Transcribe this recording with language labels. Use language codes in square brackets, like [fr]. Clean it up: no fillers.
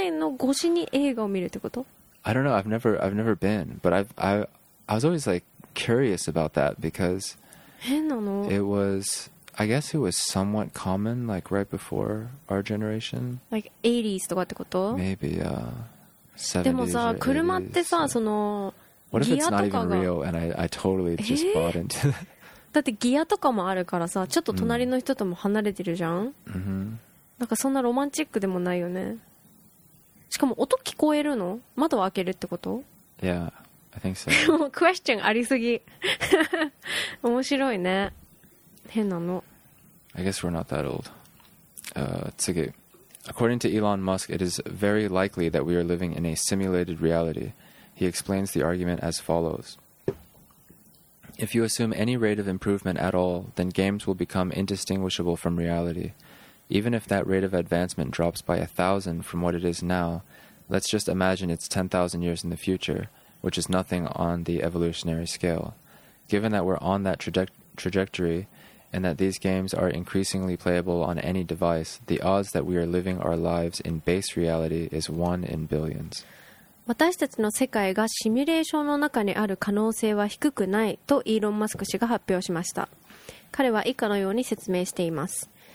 [ja] じゃあ車のガラス汚い人はその汚いの越しに映画を見るってこと? [en] I don't know. I've never been, but I was always like curious about that because [ja] 変なの? [en] It was, I guess it was somewhat common like right before our generation. [ja] Like 80s とかってこと? [en] Maybe, yeah. [ja] でもさ、車ってさ、その [en] What if it's not even real and I totally just bought into that? [ja] だってギアとかもあるからさ、ちょっと隣の人とも離れてるじゃん? Mm-hmm. なんかそんなロマンチックでもないよね。しかも音聞こえるの?窓を開けるってこと? [en] Yeah, I think so. [ja] もうクエスチョンありすぎ。面白いね。変なの。 [en] I guess we're not that old. 次。According to Elon Musk, it is very likely that we are living in a simulated reality. He explains the argument as follows. If you assume any rate of improvement at all, then games will become indistinguishable from reality. Even if that rate of advancement drops by 1,000 from what it is now, let's just imagine it's 10,000 years in the future, which is nothing on the evolutionary scale. Given that we're on that trajectory, and that these games are increasingly playable on any device, the odds that we are living our lives in base reality is 1 in billions. [ja] 私たちの世界がシミュレーションの中にある可能性は低くないとイーロン・マスク氏が発表しました。彼は以下のように説明しています。